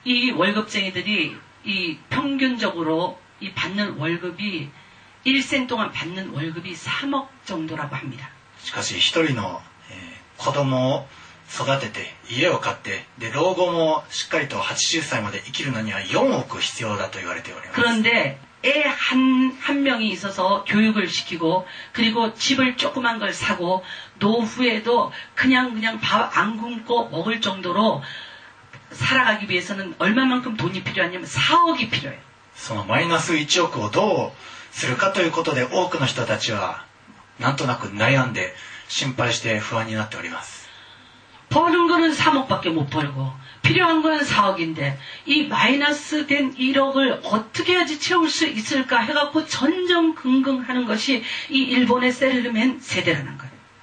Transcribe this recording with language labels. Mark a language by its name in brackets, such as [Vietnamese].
[Korean] 이월급쟁이들이이평균적으로이받는월급이일생동안받는월급이3억정도라고합니다 [Japanese] しかし一人の、子供を育てて家を買ってで老後もしっかりと80歳まで生きるのには4億必要だと言われております。 [Korean] 그런데애 한 명이 있어서 교육을 시키고 그리고 집을 조그만 걸 사고 노후에도 그냥 밥 안 굶고 먹을 정도로 살아가기 위해서는 얼마만큼 돈이 필요하냐면 4억이 필요해요. [Japanese] その -1 億をどうするかということで多くの人たちはなんとなく悩んで心配して不安になっております。 [Korean] 벌은거는3억밖에못벌고필요한건4억인데이마이너스된1억을어떻게해야지채울수있을까해갖고전전긍긍하는것이이일본의셀러맨세대라는거예요